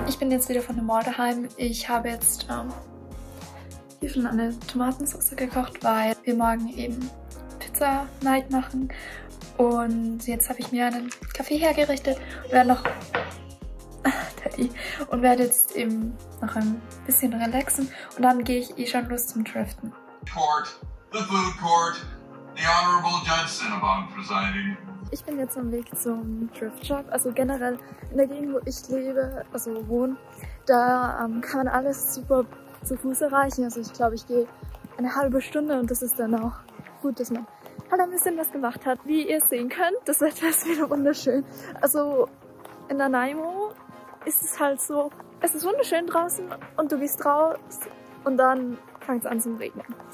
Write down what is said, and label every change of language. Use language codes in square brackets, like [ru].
[de] Jetzt wieder von dem Mall daheim. Ich habe jetzt hier schon eine Tomatensauce gekocht, weil wir morgen eben Pizza Night machen und jetzt habe ich mir einen Kaffee hergerichtet und werde noch jetzt eben noch ein bisschen relaxen und dann gehe ich eh schon los zum Driften. [en] Court, the food court, the Honorable Judge Cinnabon presiding. [de] Ich bin jetzt am Weg zum Thrift Shop, also generell in der Gegend, wo ich lebe, also wohne, da kann man alles super zu Fuß erreichen. Also ich glaube, ich gehe eine halbe Stunde und das ist dann auch gut, dass man halt ein bisschen was gemacht hat. Wie ihr sehen könnt, das Wetter ist wieder wunderschön. Also in Nanaimo ist es halt so, es ist wunderschön draußen und du gehst raus und dann fängt es an zu regnen.